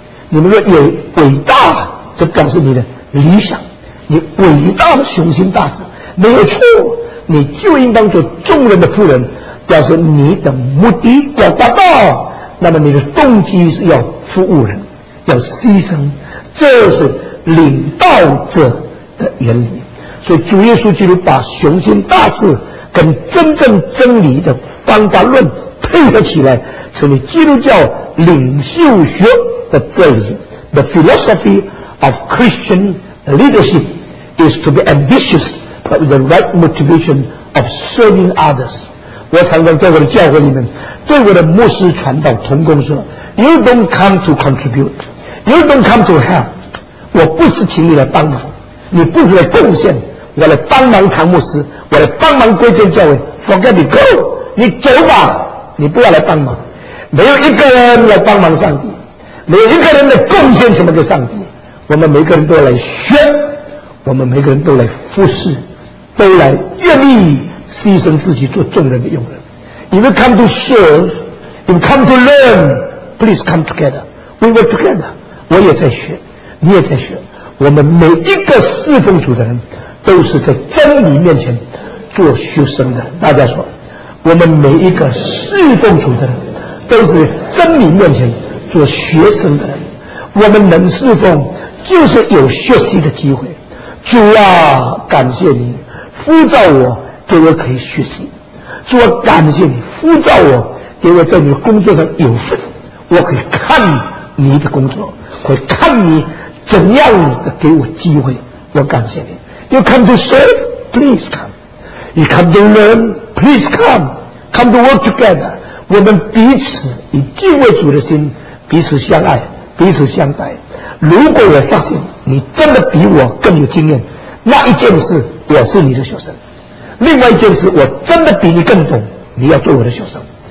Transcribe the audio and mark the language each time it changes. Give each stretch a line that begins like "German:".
Chinese: 你们若有伟大，这表示你的理想，你伟大的雄心大志没有错，你就应当做众人的仆人，表示你的目的要达到，那么你的动机是要服务人，要牺牲，这是领道者的原理。所以主耶稣基督把雄心大志跟真正真理的方法论配合起来，成为基督教领袖学的真理。
English: The philosophy of Christian leadership is to be ambitious but with the right motivation of serving others。
Chinese: 我常常在我的教会里面对我的牧师传道同工说，
English: You don't come to contribute, You don't come to help。
Chinese: 我不是请你来帮忙，你不是来贡献，我来帮忙唐牧师，我来帮忙归建教会。
English: Forget me, go,
Chinese: 你走吧，你不要来帮忙。没有一个人来帮忙上帝，没有一个人来贡献什么给上帝。我们每个人都来学，我们每个人都来服侍，都来愿意牺牲自己做众人的用人。
English: You will come to serve, you will come to learn, please come together, we work together。
Chinese: 我也在学，你也在学，我们每一个侍奉主的人都是在真理面前做学生的。大家说，我们每一个侍奉主的人都是在真理面前做学生的人。我们能侍奉就是有学习的机会。主啊，感谢你呼召我，给我可以学习。主啊，感谢你呼召我，给我在你工作上有份，我可以看你的工作，会看你怎样的给我机会。我感谢你。
English: You come to serve, please come. You come to learn, please come. Come to work together.
Chinese: 我们彼此以敬畏主的心彼此相爱，彼此相待。如果我发现你真的比我更有经验，那一件事我是你的学生；另外一件事我真的比你更懂，你要做我的学生。